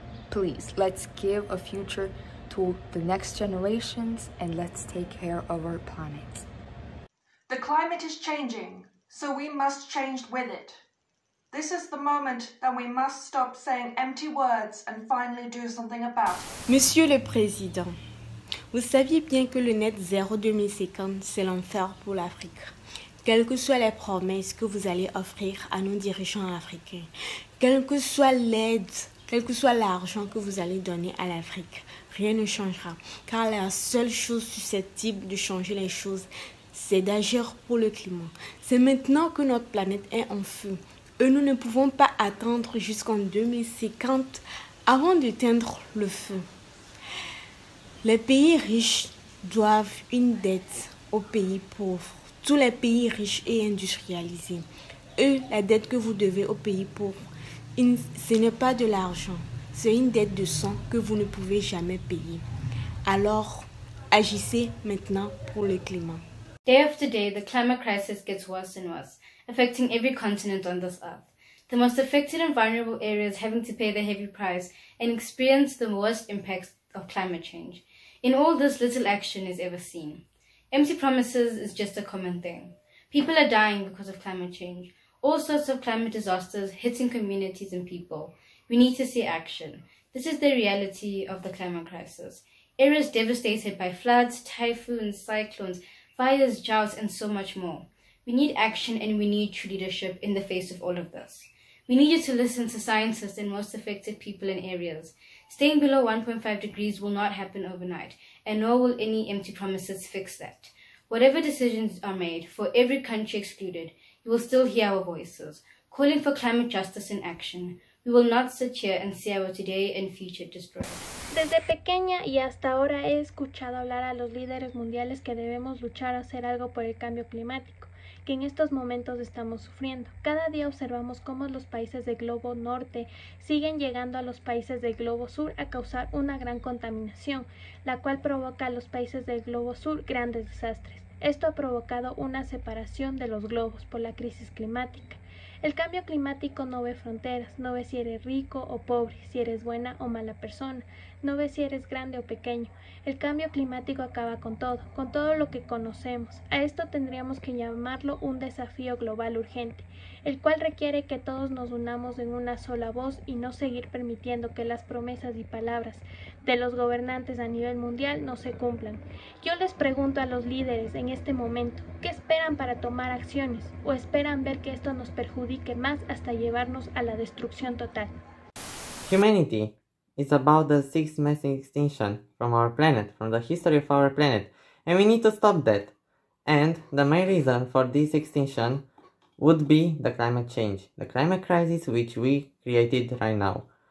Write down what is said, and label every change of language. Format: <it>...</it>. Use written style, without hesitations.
<en>Please, let's give a future to the next generations, and let's take care of our planet. The climate is changing, so we must change with it. This is the moment that we must stop saying empty words and finally do something about it.</en> <fr>Monsieur le Président, vous saviez bien que le net zéro 2050, c'est l'enfer pour l'Afrique. Quelles que soient les promesses que vous allez offrir à nos dirigeants africains, quelle que soit l'aide, quel que soit l'argent que vous allez donner à l'Afrique, rien ne changera. Car la seule chose susceptible de changer les choses, c'est d'agir pour le climat. C'est maintenant que notre planète est en feu. Et nous ne pouvons pas attendre jusqu'en 2050 avant d'éteindre le feu. Les pays riches doivent une dette aux pays pauvres. Tous les pays riches et industrialisés. Et la dette que vous devez aux pays pauvres, ce n'est pas de l'argent. C'est une dette de sang que vous ne pouvez jamais payer. Alors, agissez maintenant pour le climat.</fr> <en>Day after day, the climate crisis gets worse and worse, affecting every continent on this earth. The most affected and vulnerable areas having to pay the heavy price and experience the worst impacts of climate change. In all this, little action is ever seen. Empty promises is just a common thing. People are dying because of climate change. All sorts of climate disasters hitting communities and people. We need to see action. This is the reality of the climate crisis. Areas devastated by floods, typhoons, cyclones, fires, droughts, and so much more. We need action and we need true leadership in the face of all of this. We need you to listen to scientists and most affected people and areas. Staying below 1.5 degrees will not happen overnight, and nor will any empty promises fix that. Whatever decisions are made, for every country excluded, you will still hear our voices, calling for climate justice in action. We will not sit here and see our today and future destroyed.</en> <es>Desde pequeña y hasta ahora he escuchado hablar a los líderes mundiales que debemos luchar a hacer algo por el cambio climático, que en estos momentos estamos sufriendo. Cada día observamos cómo los países del globo norte siguen llegando a los países del globo sur a causar una gran contaminación, la cual provoca a los países del globo sur grandes desastres. Esto ha provocado una separación de los globos por la crisis climática. El cambio climático no ve fronteras, no ve si eres rico o pobre, si eres buena o mala persona, no ve si eres grande o pequeño. El cambio climático acaba con todo lo que conocemos. A esto tendríamos que llamarlo un desafío global urgente, el cual requiere que todos nos unamos en una sola voz y no seguir permitiendo que las promesas y palabras de los gobernantes a nivel mundial no se cumplan. Yo les pregunto a los líderes en este momento, ¿qué esperan para tomar acciones? ¿O esperan ver que esto nos perjudique más hasta llevarnos a la destrucción total?</es> <en>Humanity is about the sixth mass extinction from our planet, from the history of our planet, and we need to stop that. And the main reason for this extinction would be the climate change, the climate crisis which we created right now.</en>